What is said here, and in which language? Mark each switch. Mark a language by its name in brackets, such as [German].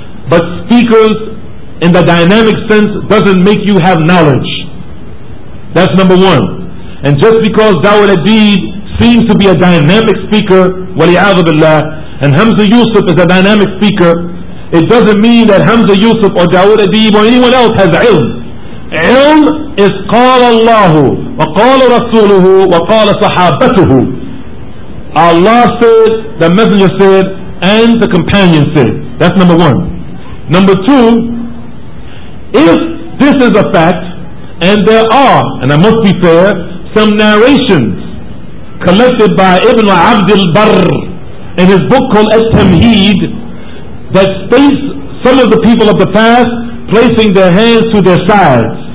[English] But speakers in the dynamic sense doesn't make you have knowledge. That's number one. And just because Dawood Adib seems to be a dynamic speaker, [Arabic] وَلِعَذُ بِاللَّهِ, [English] and Hamza Yusuf is a dynamic speaker, it doesn't mean that Hamza Yusuf or Dawood Adib or anyone else has ilm. Ilm is [Arabic] قَالَ اللَّهُ وَقَالَ رَسُولُهُ وَقَالَ صَحَابَتُهُ. [English] Allah said, the Messenger said, and the companion said. That's number one. Number two, if this is a fact, and there are, and I must be fair, some narrations collected by Ibn Abdul Barr in his book called At-Tamheed that states some of the people of the past placing their hands to their sides.